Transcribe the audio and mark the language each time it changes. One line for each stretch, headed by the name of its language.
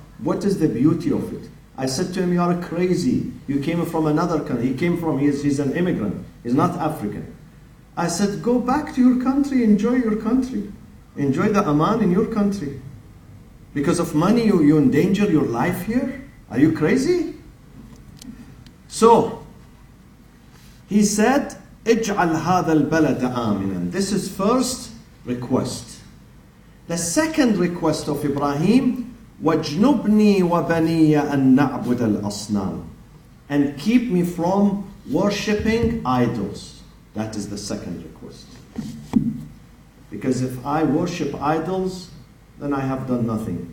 English: What is the beauty of it? I said to him, you are crazy. You came from another country. He's an immigrant. He's not African. I said, go back to your country. Enjoy your country. Enjoy the aman in your country. Because of money, you endanger your life here? Are you crazy? So, he said,
Arabic: اجعل هذا البلد آمنا.
English: This is first request. The second request of Ibrahim,
Arabic: واجنبني وبني أن نعبد الأصنام.
English: And keep me from worshipping idols. That is the second request. Because if I worship idols, then I have done nothing.